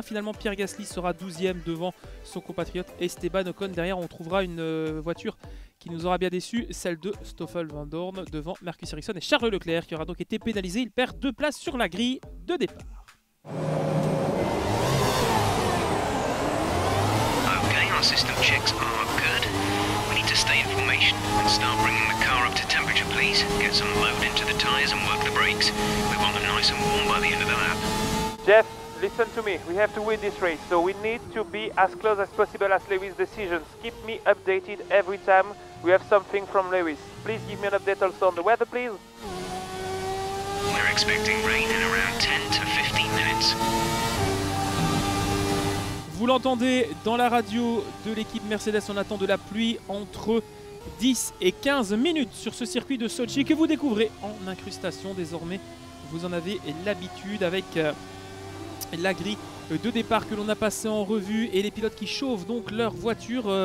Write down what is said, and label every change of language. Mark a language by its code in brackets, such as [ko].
[fr] Finalement Pierre Gasly sera 12e devant son compatriote Esteban Ocon. Derrière on trouvera une voiture qui nous aura bien déçu, celle de Stoffel Vandoorne devant Marcus Ericsson et Charles Leclerc qui aura donc été pénalisé. Il perd 2 places sur la grille de départ. [en] Okay, our system checks are good. We need to stay in formation and start bringing the car up to temperature, please. Get some load into the tires and work the brakes. We want them nice and warm by the end of the lap. Jeff, listen to me. We have to win this race, so we need to be as close as possible as Lewis' decisions. Keep me updated every time we have something from Lewis. Please give me an update also on the weather, please. We're expecting rain in around 10 to 15 minutes. [fr] Vous l'entendez dans la radio de l'équipe Mercedes, on attend de la pluie entre 10 et 15 minutes sur ce circuit de Sochi que vous découvrez en incrustation désormais. Vous en avez l'habitude avec la grille de départ que l'on a passé en revue et les pilotes qui chauffent donc leur voiture.